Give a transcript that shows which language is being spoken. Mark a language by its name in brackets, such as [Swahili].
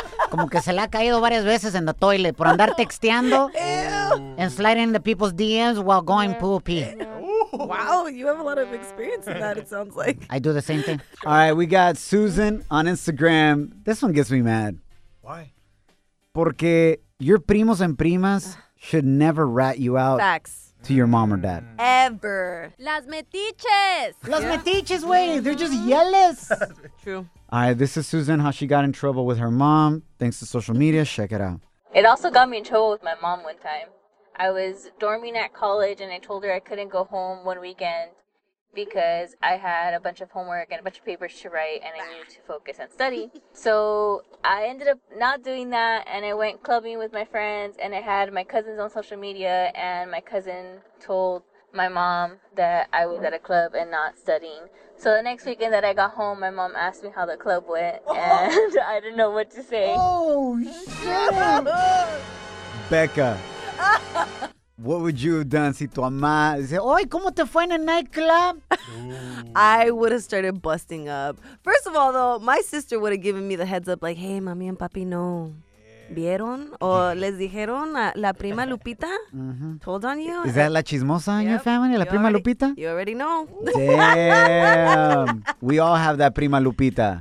[Spanish] Como que se le ha caído varias veces en [English] the toilet [Spanish] por andar texteando. [English] And sliding into people's DMs while going poopy. Wow, you have a lot of experience in that, it sounds like. I do the same thing. All right, we got Susan on Instagram. This one gets me mad. Why? [Spanish] Porque [English] your [Spanish] primos and primas [English] should never rat you out. Facts. To your mom or dad. Ever. [Spanish] Las metiches. Las metiches, [English] wait. They're just jealous. True. All right, this is Susan, how she got in trouble with her mom. Thanks to social media. Check it out. It also got me in trouble with my mom one time. I was dorming at college, and I told her I couldn't go home one weekend because I had a bunch of homework and a bunch of papers to write, and I needed to focus and study. So I ended up not doing that, and I went clubbing with my friends, and I had my cousins on social media, and my cousin told my mom that I was at a club and not studying. So the next weekend that I got home, my mom asked me how the club went, and I didn't know what to say. Oh, shit! Becca. What would you have done [Spanish] si tu mamá dice, oye, ¿cómo te fue en el nightclub? [English] I would have started busting up. First of all, though, my sister would have given me the heads up, like, hey, mami and papi, no. [Spanish] ¿Vieron? O les dijeron la prima Lupita? [English] Mm-hmm. Told on you? Is that [Spanish] la chismosa [English] in your family? [Spanish] La prima Lupita? [English] You already know. Damn. We all have that prima Lupita.